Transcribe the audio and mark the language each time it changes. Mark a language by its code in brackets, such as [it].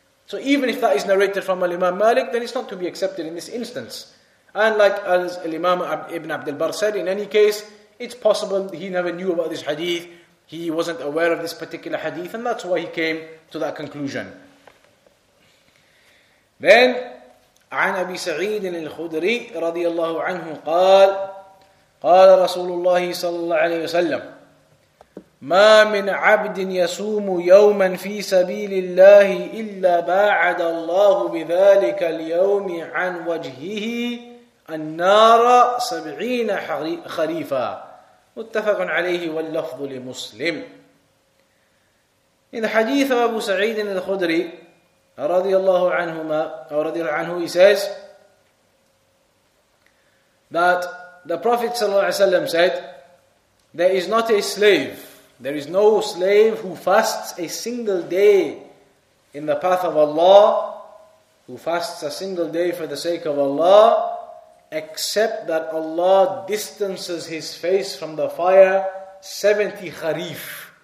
[en] So even if that is narrated from Al-Imam Malik, then it's not to be accepted in this instance. And like as Al-Imam Ibn Abd al-Barr said, in any case, it's possible he never knew about this hadith, He wasn't aware of this particular hadith, and that's why he came to that conclusion. [ar] Then, عن أبي سعيد الخدري رضي الله عنه قال قال رسول الله صلى الله عليه وسلم ما من عبد يصوم يوما في سبيل الله إلا باعد الله بذلك اليوم عن وجهه النار 70 خريفا متفق عليه واللفظ لمسلم. [en] In hadith of Abu Sa'id al-Khudri [ar] رضي الله عنهما أو رضي الله عنه, [en] he says that the Prophet صلى الله عليه وسلم said there is not a slave, there is no slave who fasts a single day in the path of Allah, who fasts a single day for the sake of Allah, except that Allah distances his face from the fire 70 kharif.